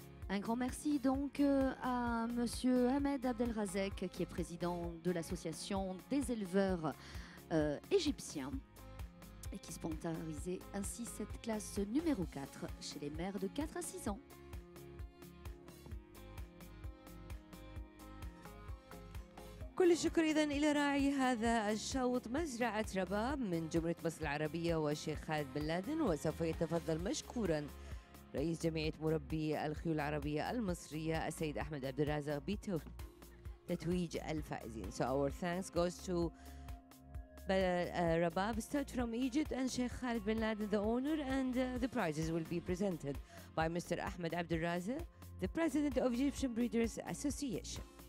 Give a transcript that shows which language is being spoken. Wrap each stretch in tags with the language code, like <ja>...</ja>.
<fr>Un grand merci donc à Monsieur Ahmed Abdelrazek, qui est président de l'association des éleveurs égyptiens et qui sponsorisait ainsi cette classe numéro 4 chez les mères de 4 à 6 ans.</fr> <ar>كل الشكر إذن إلى راعي هذا الشوط مزرعة رباب من جمهورية مصر العربية والشيخ خالد بن لادن. وسوف يتفضل مشكورا رئيس جمعية مربي الخيول العربية المصرية السيد أحمد عبد الرازق بيتو. تتويج الفائزين.</ar> <en>So our thanks goes to Rabab Stud from Egypt and Sheikh Khalid bin Laden, the owner, and the prizes will be presented by Mr. Ahmed Abdel Razi, the president of Egyptian Breeders Association.</en>